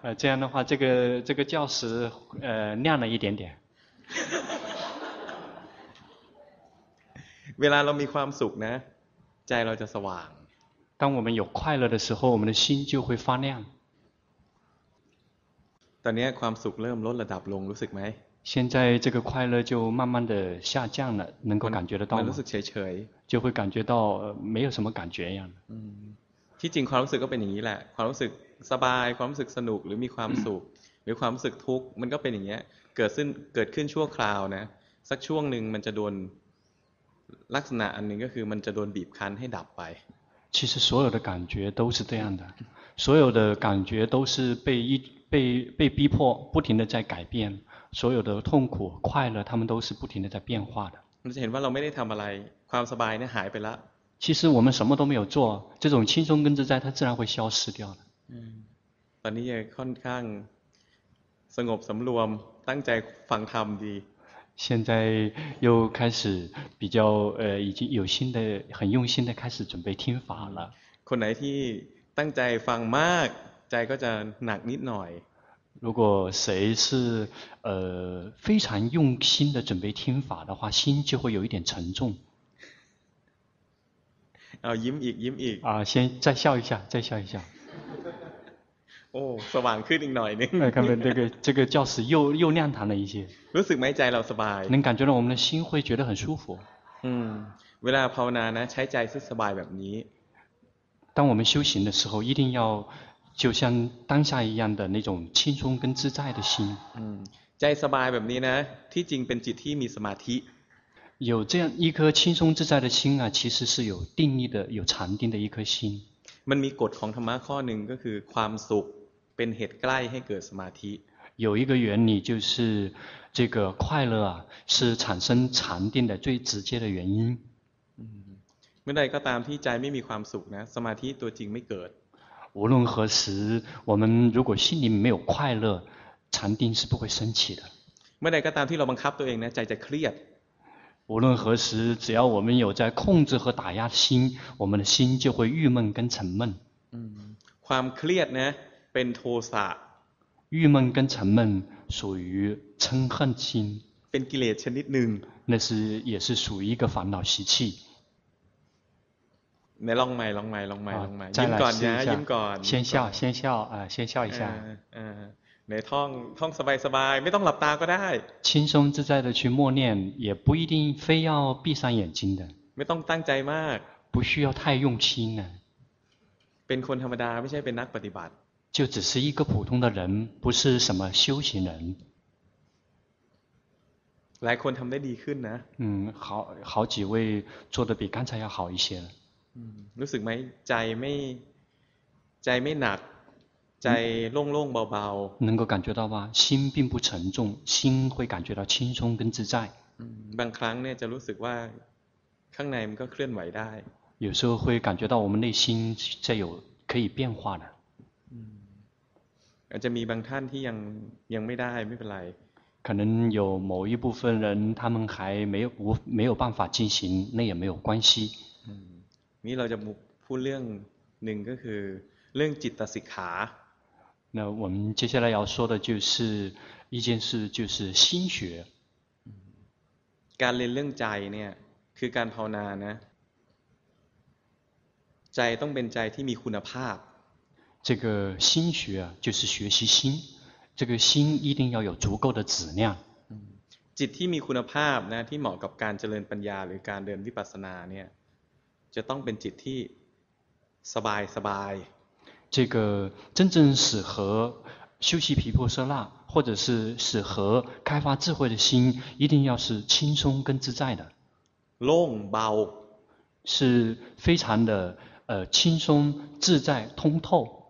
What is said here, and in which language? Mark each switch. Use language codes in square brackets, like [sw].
[zh] 这样的话这个教室亮了一点点 [th] เวลาเรามีความสุขนะใจเราจะสว่าง [zh] 当我们有快乐的时候我们的心就会发亮 [th] ตอนนี้ความสุขเริ่มลดระดับลงรู้สึกไหม [zh] 现在这个快乐就慢慢的下降了能够感觉得到吗 [th] มันรู้สึกเฉย [zh] ๆ就会感觉到没有什么感觉一样 [th] ที่จริงความรู้สึกก็เป็นอย่างนี้แหละความรู้สึกสบายความรู้สึกสนุกหรือมีความสุขหรือความรู้สึกทุกข์มันก็เป็นอย่างเงี้ยเกิดขึ้นชั่วคราวนะสักช่วงหนึ่งมันจะโดนลักษณะอันหนึ่งก็คือมันจะโดนบีบคั้นให้ดับไป [zh] 其实所有的感觉都是这样的所有的感觉都是被逼迫不停的在改变所有的痛苦快乐他们都是不停的在变化的 [th] มันจะเห็นว่าเราไม่ได้ทำอะไรความสบายเนี่ยหายไปแล้ว [zh] 其实我们什么都没有做这种轻松跟自在它自然会消失掉的 [th] ตอนนี้ยังค่อนข้างสงบสำรวมตั้งใจฟังธรรมดี [zh] 现在又开始比较已经有心的很用心的开始准备听法了 [th] คนไหนที่ตั้งใจฟังมากใจก็จะหนักนิดหน่อย [zh] 如果谁是非常用心的准备听法的话心就会有一点沉重 [th] ยิ้มอีก [zh] 先再笑一下 [th] โอ้สว่างขึ้นอีกหน่อยนึง [zh] 看到这个教室又亮堂了一些 [th] รู้สึกไหมใจเราสบาย [zh] 能感觉到我们的心会觉得很舒服 [th] เวลาภาวนานะใช้ใจที่สบายแบบนี้ [zh] 当我们修行的时候一定要就像当下一样的那种轻松跟自在的心 [th] ใจสบายแบบนี้นะที่จริงเป็นจิตที่มีสมาธิ [zh] 有这样一颗轻松自在的心啊其实是有定义的有禅定的一颗心 [th] มันมีกฎของธรรมะข้อหนึ่งก็คือความสุขเป็นเหตุใกล้ให้เกิดสมาธิ [zh] 有一个原理就是这个快乐啊是产生禅定的最直接的原因 [th] เมื่อใดก็ตามที่ใจไม่มีความสุขนะสมาธิตัวจริงไม่เกิด [zh] 无论何时我们如果心里没有快乐禅定是不会升起的 [th] เมื่อใดก็ตามที่เราบังคับตัวเองนะใจจะเครียด [zh] 无论何时只要我们有在控制和打压心我们的心就会郁闷跟沉闷 [th] ความเครียดนะเป็นโทสะ [zh] 郁闷跟沉闷属于嗔恨心 [th] เป็นกิเลสชนิดหนึ่ง [zh] 那是也是属于一个烦恼习气 [th] ไหนลองใหม่ลองใหม่ลองใหม่ลองใหม่ยิ้มก่อนนะยิ้มก่อน [zh] 先笑先笑一下 [th] ในท่องสบายๆไม่ต้องหลับตาก็ได้ [zh] 轻松自在的去默念也不一定非要闭上眼睛的 [th] ไม่ต้องตั้งใจมาก [zh] 不需要太用心呢 [th] เป็นคนธรรมดาไม่ใช่เป็นนักปฏิบัติ [zh] 就只是一个普通的人不是什么修行人 [th] หลายคนทำได้ดีขึ้นนะ [zh] 好几位做得比刚才要好一些 [th] รู้สึกไหมใจไม่หนักใจโล่งๆเบา [zh] ๆ能够感觉到吗心并不沉重心会感觉到轻松跟自在 [th] บางครั้งเนี่ยจะรู้สึกว่าข้างในมันก็เคลื่อนไหวได้ [zh] 有时候会感觉到我们内心在有可以变化的 [th] อาจจะมีบางท่านที่ยังไม่ได้ไม่เป็นไร [zh] 可能有某一部分人他们还没有办法进行那也没有关系 [th] นี่เราจะพูดเรื่องหนึ่งก็คือเรื่องจิตสิกขา [zh] 那我们接下来要说的就是一件事就是心学 [th] การเรียนเรื่องใจเนี่ยคือการภาวนานะใจต้องเป็นใจที่มีคุณภาพ [zh] 这个心学就是学习心这个心一定要有足够的质量 [th] จิตที่มีคุณภาพนะที่เหมาะกับการเจริญปัญญาหรือการเดินวิปัสสนาเนี่ยจะต้องเป็นจิตที่สบายสบาย [zh] 这个真正适合修习毗婆舍那或者是适合开发智慧的心一定要是轻松跟自在的 [th] โล่งเบา [zh] 是非常的轻松自在通透